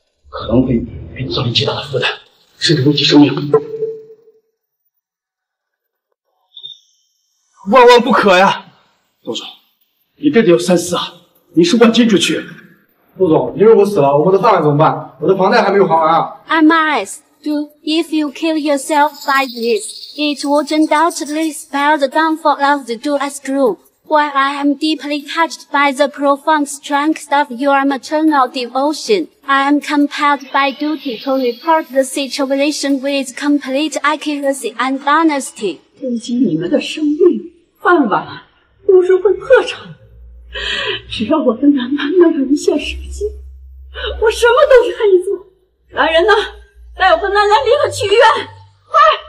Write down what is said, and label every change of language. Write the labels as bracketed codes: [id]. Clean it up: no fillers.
[zh] 可能会给你造成极大的负担，甚至危及生命。万万不可呀！杜总，你这得要三思啊！你是万金之躯。杜总，你如果死了，我的葬礼怎么办？我的房贷还没有还完啊 [en] ！I must do. If you kill yourself like this, it would undoubtedly spell the downfall of the Douglas Group. While I am deeply touched by the profound strength of your maternal devotion. I am compelled by duty to report the situation with complete accuracy and honesty. [zh] 危及你们的生命、饭碗，都是会破产。只要我的男男能有一线生机，我什么都愿意做。来人呐，带我和男男立刻去医院，快！